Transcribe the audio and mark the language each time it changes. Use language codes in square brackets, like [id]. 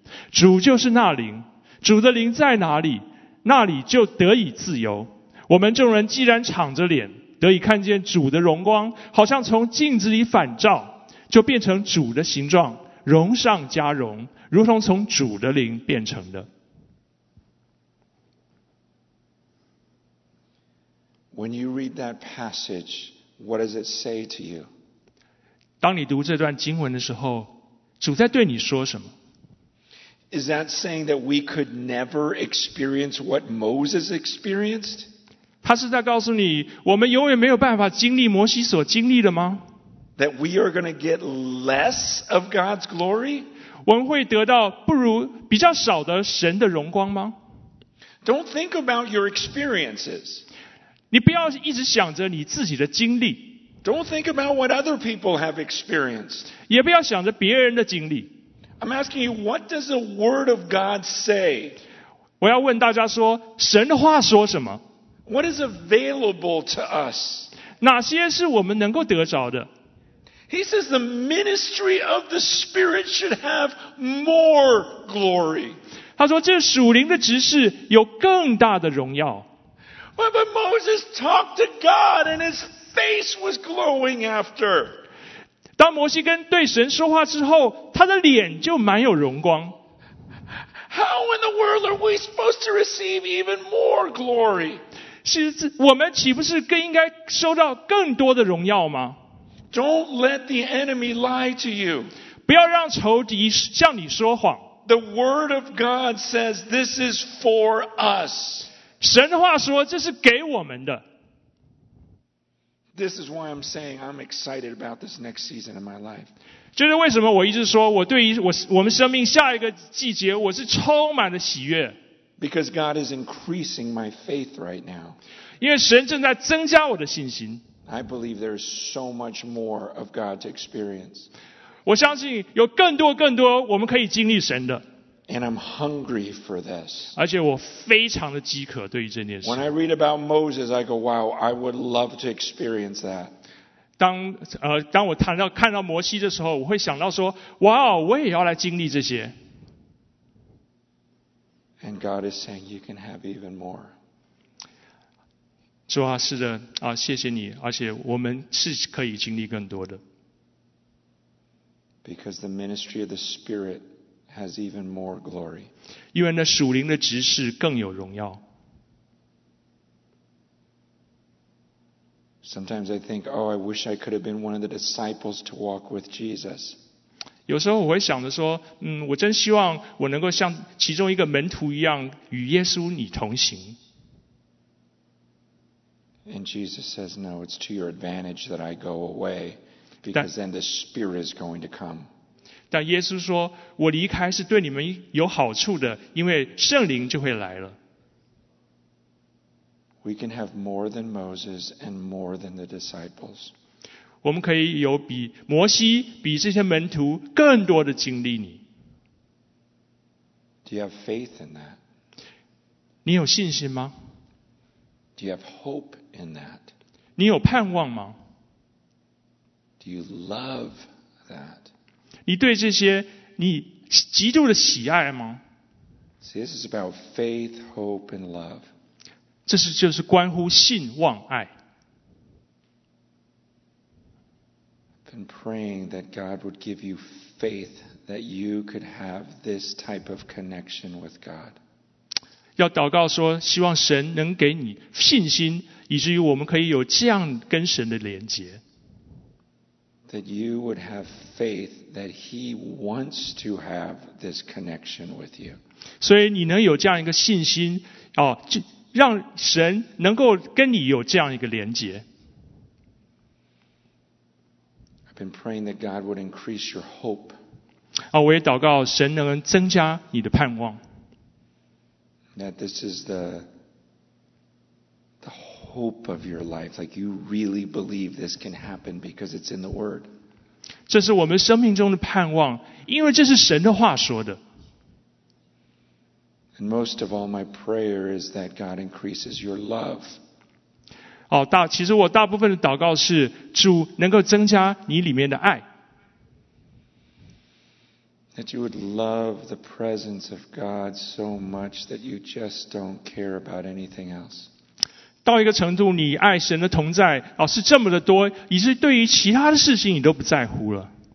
[zh] 主就是那灵，主的灵在哪里，那里就得以自由。我们众人既然敞着脸得以看见主的荣光，好像从镜子里反照，就变成主的形状，荣上加荣，如同从主的灵变成的。 [en] When you read that passage, what does it say to you? [zh] 当你读这段经文的时候，主在对你说什么？ [en] Is that saying that we could never experience what Moses experienced? [zh] 他是在告诉你，我们永远没有办法经历摩西所经历的吗？ [en] That we are going to get less of God's glory? [zh] 我们会得到不如比较少的神的荣光吗？ [en] Don't think about your experiences. [zh] 你不要一直想着你自己的经历。 [en] Don't think about what other people have experienced. [zh] 也不要想着别人的经历。 [en] I'm asking you, what does the Word of God say? [zh] 我要问大家说，神的话说什么？ [en] What is available to us? [zh] 哪些是我们能够得着的？ [en] He says the ministry of the Spirit should have more glory. [zh] 他说这属灵的执事有更大的荣耀。 [en] But Moses talked to God and his face was glowing after. [zh] 当摩西跟对神说话之后，他的脸就蛮有荣光。 [en] How in the world are we supposed to receive even more glory? [zh] 是我们岂不是更应该收到更多的荣耀吗？ [en] Don't let the enemy lie to you. [zh] 不要让仇敌向你说谎。 [en] The word of God says this is for us. [zh] 神的话说这是给我们的。 [en] This is why I'm saying I'm excited about this next season of my life. [zh] 就是为什么我一直说我对于 我们生命下一个季节我是充满了喜悦。 [en] Because God is increasing my faith right now. [zh] 因为神正在增加我的信心。 [en] I believe there is so much more of God to experience. [zh] 我相信有更多更多我们可以经历神的。 [en] And I'm hungry for this. [zh] 而且我非常的饥渴对于这件事。 [en] When I read about Moses, I go, wow, I would love to experience that. [zh] 当我看到摩西的时候，我会想到说，哇，我也要来经历这些。 [en] And God is saying, you can have even more. [zh] 主啊，是的，啊，谢谢你，而且我们是可以经历更多的。 [en] Because the ministry of the Spirit. Has even more glory. [zh] 因为那属灵的执事更有荣耀。 [en] Sometimes I think, oh, I wish I could have been one of the disciples to walk with Jesus. [zh] 有时候我会想着说，我真希望我能够像其中一个门徒一样与耶稣你同行。 [en] And Jesus says, no, it's to your advantage that I go away, because then the Spirit is going to come. [zh] 但耶稣说，我离开是对你们有好处的，因为圣灵就会来了。 [en] We can have more than Moses and more than the disciples. [zh] 我们可以有比摩西、比这些门徒更多的经历你。 [en] Do you have faith in that? [zh] 你有信心吗？ [en] Do you have hope in that? [zh] 你有盼望吗？ [en] Do you love that? [zh] 你对这些你极度的喜爱吗？ [en] See, this is about faith, hope, and love. [zh] 这是就是关乎信望爱。 [en] I've been praying that God would give you faith that you could have this type of connection with God. [zh] 要祷告说希望神能给你信心以至于我们可以有这样跟神的连结。 [en] That you would have faith that He wants to have this connection with you. [zh] 所以你能有这样一个信心，哦，让神能够跟你有这样一个连结。 [en] I've been praying that God would increase your hope. [zh] 哦，我也祷告神能增加你的盼望。 [en] That this is the hope of your life, like you really believe this can happen because it's in the Word. [zh] 这是我们生命中的盼望，因为这是神的话说的。 [en] And most of all, my prayer is that God increases your love. [zh] 哦，大其实我大部分的祷告是主能够增加你里面的爱。 [en] That you would love the presence of God so much that you just don't care about anything else. [zh] 到一个程度，你爱神的同在哦是这么的多，以至于对于其他的事情你都不在乎了。